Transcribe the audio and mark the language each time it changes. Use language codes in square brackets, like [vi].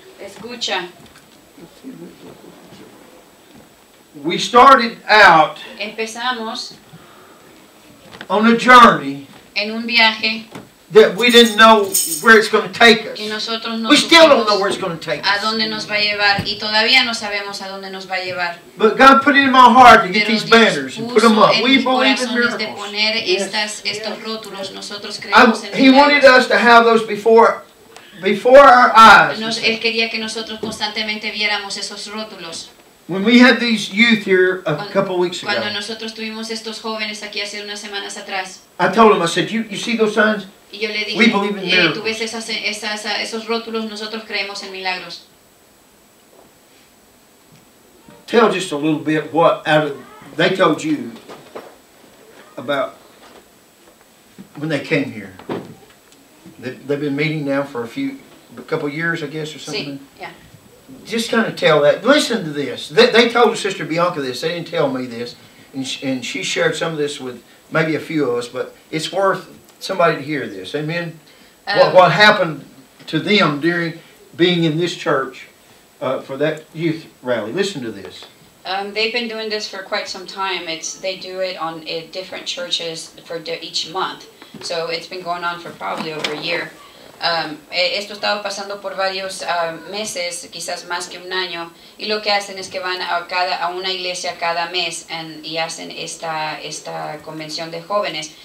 [es] Escucha. [en] We started out [es] empezamos [en] on a journey [es] en un viaje [en] that we didn't know where it's going to take us. [es] Que nosotros no [en] we still don't know where it's going to take [es] a dónde nos va a llevar y todavía no sabemos a dónde nos va a llevar. [en] But God put it in my heart to get [es] Pero [en] these banners and put them up. We believe in miracles. [es] De poner estas, yes. estos rótulos. Nosotros creemos en [en] He wanted us to have those before before our eyes. [es] Nos, él quería que nosotros constantemente viéramos esos rótulos. [en] When we had these youth here a couple weeks ago, [es] cuando nosotros tuvimos estos jóvenes aquí hace unas semanas atrás, [en] I told them, I said, you see those signs? [es] Y yo le dije, [en] we believe in miracles. [es] Tú ves esos rótulos, nosotros creemos en milagros. [en] Tell just a little bit what out of, they told you about when they came here. They've been meeting now for a couple years, I guess, or something. Sí, yeah. Just kind of tell that. Listen to this. They told Sister Bianca this. They didn't tell me this. And she shared some of this with maybe a few of us, but it's worth somebody to hear this. Amen? What happened to them during being in this church for that youth rally. Listen to this. They've been doing this for quite some time. They do it on different churches for each month. So it's been going on for probably over a year. [es] Esto ha estado pasando por varios meses, quizás más que un año, y lo que hacen es que van a una iglesia cada mes y hacen esta convención de jóvenes.